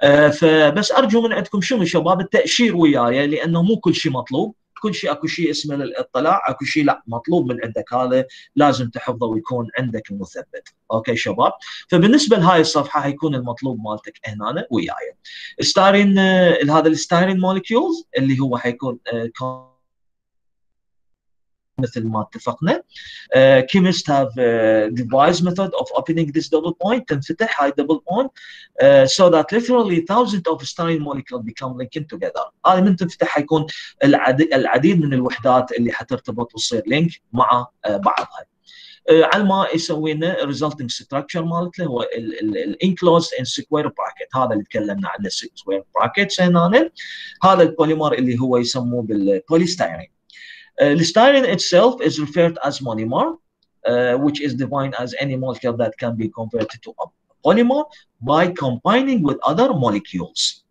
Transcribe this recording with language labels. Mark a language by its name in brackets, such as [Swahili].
[Arabic] فبس ارجو من عندكم شنو شباب التاشير وياي، لانه مو كل شيء مطلوب، كل شيء اكو شيء اسمه للاطلاع، اكو شيء لا مطلوب من عندك، هذا لازم تحفظه ويكون عندك مثبت. اوكي شباب، فبالنسبه لهاي الصفحه حيكون المطلوب مالتك هنا وياي. ستارين هذا الستارين مولكيولز اللي هو حيكون مثل ما اتفقنا. [English] Chemists have devised method of opening this double point. [Arabic] تنفتح هاي [English] double point so that literally thousands of styrene molecules become linked together. [Arabic] هاي من تنفتح حيكون العديد من الوحدات اللي حترتبط وتصير لينك مع بعضها. على ما يسوينا [English] resulting structure [Arabic] مالته هو ال [English] enclosed in square bracket، [Arabic] هذا اللي تكلمنا عنه square brackets هنا. هذا البوليمر اللي هو يسموه بالبوليستايرين. [English] الستايرين itself is referred as monomer which is defined as any molecule that can be converted to a polymer by combining with other molecules.